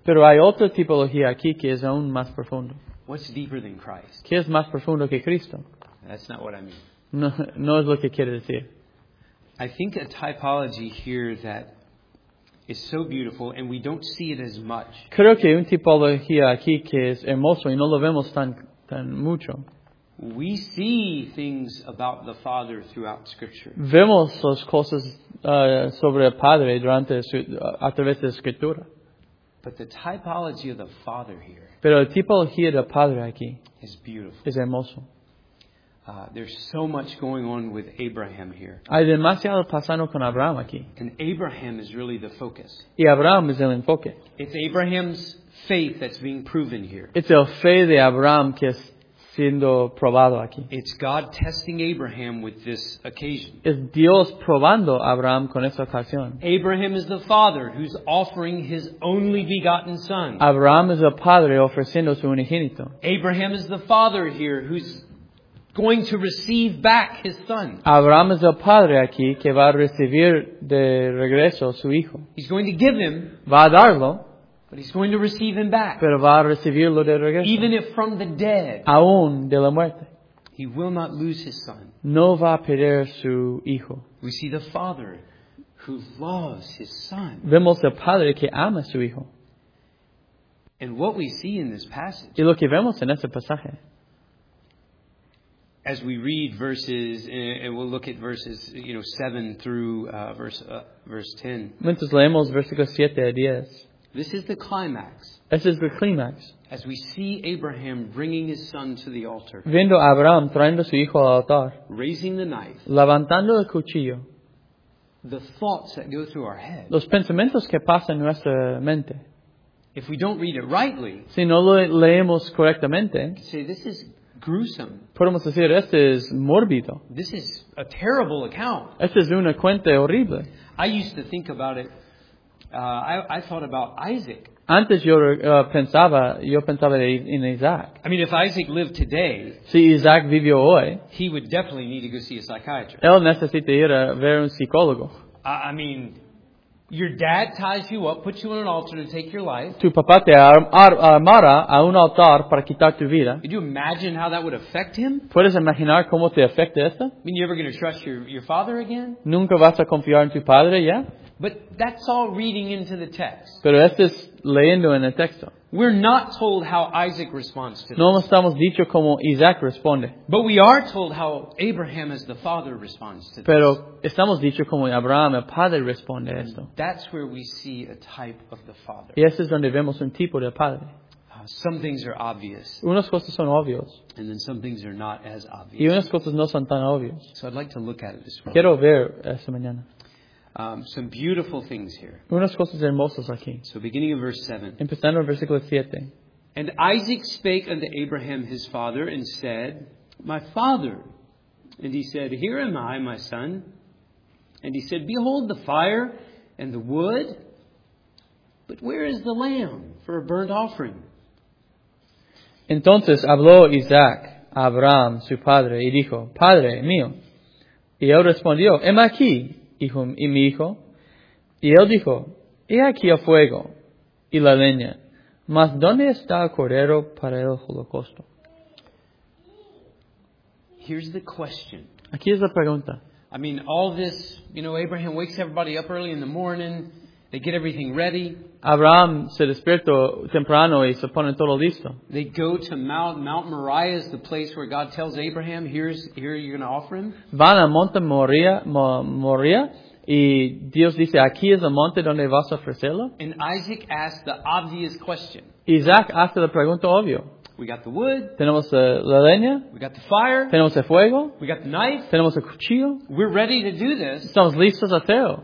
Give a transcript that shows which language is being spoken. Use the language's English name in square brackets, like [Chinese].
[Spanish] Pero hay otra tipología aquí que es aún más profundo. [English] What's deeper than Christ? [Spanish] ¿Qué es más profundo que Cristo? [English] That's not what I mean. [Spanish] No, no es lo que quiere decir. [English] I think a typology here that is so beautiful, and we don't see it as much. [Spanish] Creo que hay una tipología aquí que es hermoso y no lo vemos tan mucho. [English] We see things about the Father throughout Scripture. [Spanish] Vemos las cosas sobre el Padre durante a través de la Escritura. [English] But the typology of the Father here. [Spanish] Pero la tipología del Padre aquí [English] is beautiful. [Spanish] Es hermoso. [English] There's so much going on with Abraham here. [Spanish] Hay demasiado pasando con Abraham aquí. [English] And Abraham is really the focus. [Spanish] Y Abraham es el enfoque. [English] It's Abraham's faith that's being proven here. [Spanish] Es el fe de Abraham que es siendo probado aquí. [English] It's God testing Abraham with this occasion. [Spanish] Es Dios probando a Abraham con esta ocasión. [English] Abraham is the father who's offering his only begotten son. [Spanish] Abraham es el padre ofreciendo su unigénito. [English] Abraham is the father here who's going to receive back his son. [Spanish] Abraham es el padre aquí que va a recibir de regreso a su hijo. [English] He's going to give him. [Spanish] Va a darlo. [English] But he's going to receive him back. [Spanish] Pero va a recibirlo de regreso. [English] Even if from the dead. [Spanish] Aún de la muerte. [English] He will not lose his son. [Spanish] No va a perder su hijo. [English] We see the father who loves his son. [Spanish] Vemos el padre que ama su hijo. [English] And what we see in this passage. [Spanish] Y lo que vemos en este pasaje. [English] As we read verses, and we'll look at verses, you know, 7 through verse 10. [Spanish] Mientras leemos versículos 7 a 10. [English] This is the climax. This is the climax. As we see Abraham bringing his son to the altar. [Spanish] Viendo a Abraham trayendo su hijo al altar. [English] Raising the knife. [Spanish] Levantando el cuchillo. [English] The thoughts that go through our head. [Spanish] Los pensamientos que pasan en nuestra mente. [English] If we don't read it rightly. [Spanish] Si no lo leemos correctamente. [English] Say this is gruesome. [Spanish] Podemos decir esto es mórbido. [English] This is a terrible account. [Spanish] Esta es una cuenta horrible. [English] I used to think about it. I thought about Isaac. [Spanish] Antes yo pensaba en Isaac. [English] I mean, if Isaac lived today, [Spanish] si Isaac vivió hoy, [English] he would definitely need to go see a psychiatrist. [Spanish] Él necesita ir a ver un psicólogo. [English] I mean, your dad ties you up, puts you on an altar to take your life. [Spanish] Tu papá te armará a un altar para quitar tu vida. [English] Could you imagine how that would affect him? [Spanish] ¿Puedes imaginar cómo te afecta esto? [English] I mean, you ever going to trust your father again? [Spanish] ¿Nunca vas a confiar en tu padre ya? [English] But that's all reading into the text. [Spanish] Pero esto es leyendo en el texto. [English] We're not told how Isaac responds to this. [Spanish] No estamos dicho cómo Isaac responde. [English] But we are told how Abraham as the father responds to this. [Spanish] Pero estamos dicho cómo Abraham el padre responde a esto. [English] That's where we see a type of the father. [Spanish] Y esto es donde vemos un tipo del padre. [English] Some things are obvious. [Spanish] Unas cosas son obvias. [English] And then some things are not as obvious. [Spanish] Y unas cosas no son tan obvias. [English] So I'd like to look at it this morning. [Spanish] Quiero ver esta mañana. [English] Some beautiful things here. [Spanish] Unas cosas hermosas aquí. [English] So beginning of verse 7. [Spanish] Empezando en versículo 7. [English] And Isaac spake unto Abraham his father and said, My father. And he said, Here am I, my son. And he said, Behold the fire and the wood. But where is the lamb for a burnt offering? [Spanish] Entonces habló Isaac a Abraham, su padre, y dijo, Padre mío. Y él respondió, Heme aquí. Hijo y mi hijo. Y él dijo, He aquí el fuego y la leña. Mas ¿dónde está el cordero para el holocausto? [English] Here's the question. [Spanish] Aquí es la pregunta. [English] I mean, all this, you know, Abraham wakes everybody up early in the morning. They get everything ready. [Spanish] Abraham se despierta temprano y se pone todo listo. [English] They go to Mount Moriah, is the place where God tells Abraham, here you're going to offer him. [Spanish] Van a Monte Moriah y Dios dice, aquí es el monte donde vas a ofrecerlo. [English] And Isaac asks the obvious question. [Spanish] Isaac hace la pregunta obvio. [English] We got the wood. [Spanish] Tenemos la leña. [English] We got the fire. [Spanish] Tenemos el fuego. [English] We got the knife. [Spanish] Tenemos el cuchillo. [English] We're ready to do this. [Spanish] Estamos listos a hacerlo.